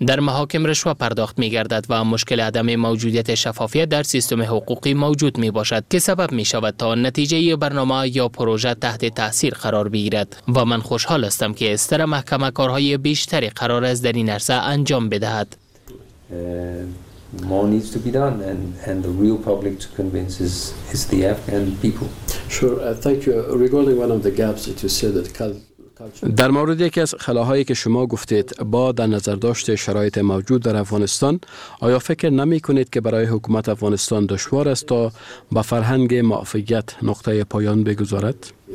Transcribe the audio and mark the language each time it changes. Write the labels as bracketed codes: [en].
[fa] در محاکم رشوه پرداخت می گردد و مشکل عدم موجودیت شفافیت در سیستم حقوقی موجود می باشد که سبب می شود تا نتیجه برنامه یا پروژه تحت تاثیر قرار بگیرد و من خوشحال هستم که استر کما کارهای بیشتری قرار است در این عرصه انجام بدهد. [en] More needs to be done and the real public to convince is the Afghan people. Sure, thank you. Regarding one of the gaps that you said that [fa] در مورد یکی از خلاهایی که شما گفتید، با در نظر داشت شرایط موجود در افغانستان، آیا فکر نمی کنید که برای حکومت افغانستان دشوار است تا به فرهنگ معافیت نقطه پایان بگذارد؟